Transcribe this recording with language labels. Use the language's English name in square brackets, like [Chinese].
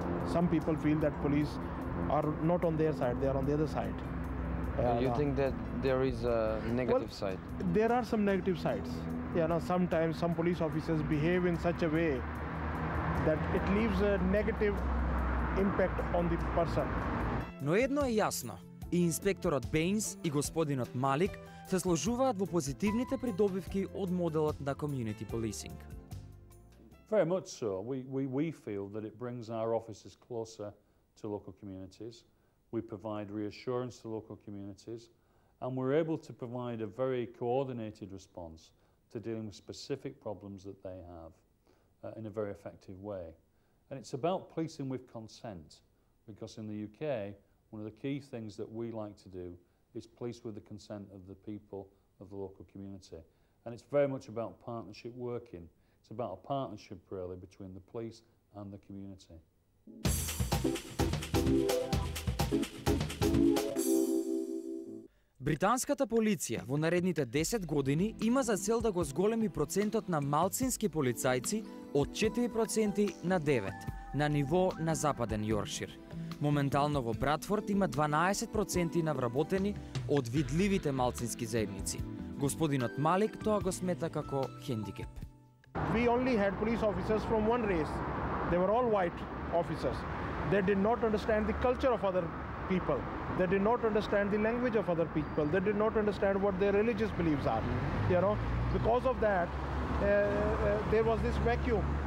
[English] Some people feel that police are not on their side, they are on the other side. You think that there is a negative side? There are some negative sides. You know, sometimes some police officers behave in such a way that it leaves a negative impact on the person. [Macedonian] Но едно е ясно. И инспекторот Бейнс и господинот Малик се сложуваат во позитивните придобивки од моделот на community policing. [English] Very much so. We feel that it brings our officers closer to local communities. We provide reassurance to local communities and we're able to provide a very coordinated response to dealing with specific problems that they have in a very effective way. And it's about policing with consent, because in the UK, one of the key things that we like to do is police with the consent of the people of the local community. And it's very much about partnership working. It's about a partnership, really, between the police and the community. [Macedonian] Британската полиција во наредните 10 години има за цел да го зголеми процентот на малцински полицајци од 4% на 9 на ниво на Западен Јоркшир. Моментално во Братфорд има 12% на вработени од видливите малцински заедници. Господинот Малик тоа го смета како хендикеп. [English] We only had police officers from one race. They were all white officers. They did not understand the culture of other people. They did not understand the language of other people. They did not understand what their religious beliefs are. You know, because of that, there was this vacuum.